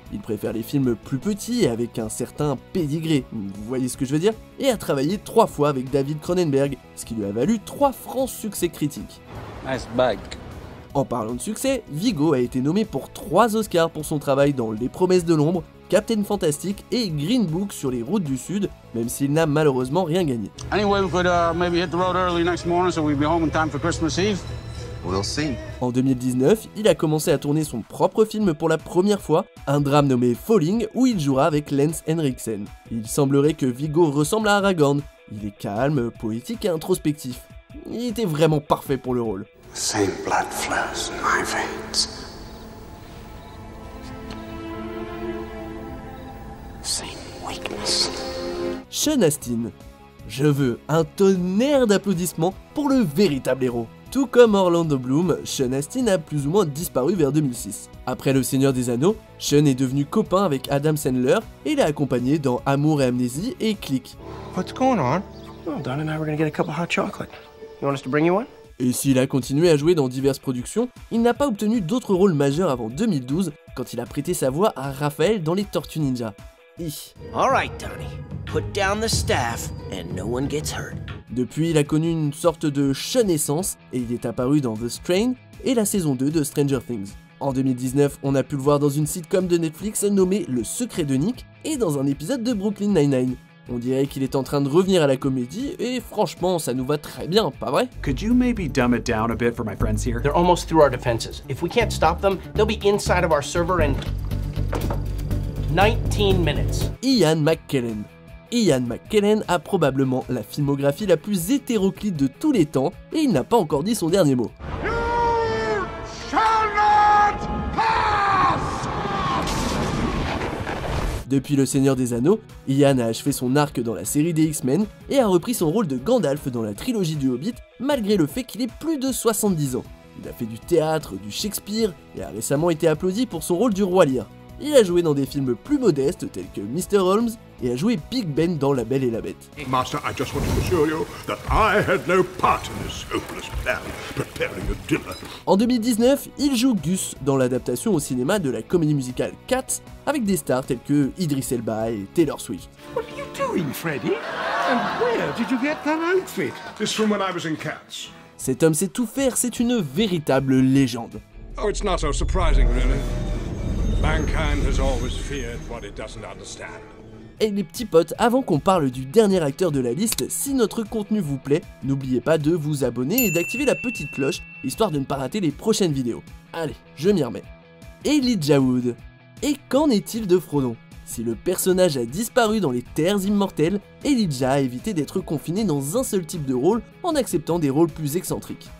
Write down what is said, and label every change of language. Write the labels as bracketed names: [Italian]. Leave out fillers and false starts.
[French] Il préfère les films plus petits et avec un certain pédigré, vous voyez ce que je veux dire, et a travaillé 3 fois avec David Cronenberg, ce qui lui a valu 3 francs succès critiques. [English] Nice bike. [French] En parlant de succès, Viggo a été nommé pour 3 Oscars pour son travail dans Les Promesses de l'Ombre, Captain Fantastic et Green Book sur les routes du Sud, même s'il n'a malheureusement rien gagné. [English] Anyway, we could maybe hit the road early next morning so we'd be home in time for Christmas Eve. We'll see. [French] En 2019, il a commencé à tourner son propre film pour la première fois, un drame nommé Falling, où il jouera avec Lance Henriksen. Il semblerait que Viggo ressemble à Aragorn. Il est calme, poétique et introspectif. Il était vraiment parfait pour le rôle. [English] The same blood flows in my veins. Same weakness. Sean Astin. [French] Je veux un tonnerre d'applaudissements pour le véritable héros. Tout comme Orlando Bloom, Sean Astin a plus ou moins disparu vers 2006. Après Le Seigneur des Anneaux, Sean est devenu copain avec Adam Sandler et l'a accompagné dans Amour et Amnésie et Click. [English] What's going on? Well, Don and I were gonna get a cup of hot chocolate. You want us to bring you one? [French] Et s'il a continué à jouer dans diverses productions, il n'a pas obtenu d'autres rôles majeurs avant 2012, quand il a prêté sa voix à Raphaël dans les Tortues Ninja. [English] All right, Donnie. Put down the staff and no one gets hurt. [French] Depuis, il a connu une sorte de chenaissance et il est apparu dans The Strain et la saison 2 de Stranger Things. En 2019, on a pu le voir dans une sitcom de Netflix nommée Le Secret de Nick et dans un épisode de Brooklyn Nine-Nine. On dirait qu'il est en train de revenir à la comédie et franchement, ça nous va très bien, pas vrai? [English] Could you maybe dumb it down a bit for my friends here? They're almost through our defenses. If we can't stop them, they'll be inside of our server in 19 minutes. Ian McKellen. [French] Ian McKellen a probablement la filmographie la plus hétéroclite de tous les temps et il n'a pas encore dit son dernier mot. Depuis Le Seigneur des Anneaux, Ian a achevé son arc dans la série des X-Men et a repris son rôle de Gandalf dans la trilogie du Hobbit malgré le fait qu'il ait plus de 70 ans. Il a fait du théâtre, du Shakespeare et a récemment été applaudi pour son rôle du Roi Lear. Il a joué dans des films plus modestes tels que Mr. Holmes et a joué Big Ben dans La Belle et la Bête. [English] Master, I just want to assure you that I had no part in this hopeless plan preparing a dinner. [French] En 2019, il joue Gus dans l'adaptation au cinéma de la comédie musicale Cats avec des stars telles que Idris Elba et Taylor Swift. [English] What are you doing, Freddy? And where did you get that outfit? This from when I was in Cats. [French] Cet homme sait tout faire, c'est une véritable légende. [English] Oh, it's not so surprising, really. Mankind has always feared what it doesn't understand. [French] Et les petits potes, avant qu'on parle du dernier acteur de la liste, si notre contenu vous plaît, n'oubliez pas de vous abonner et d'activer la petite cloche, histoire de ne pas rater les prochaines vidéos. Allez, je m'y remets. Elijah Wood. Et qu'en est-il de Frodon? Si le personnage a disparu dans les terres immortelles, Elijah a évité d'être confiné dans un seul type de rôle en acceptant des rôles plus excentriques.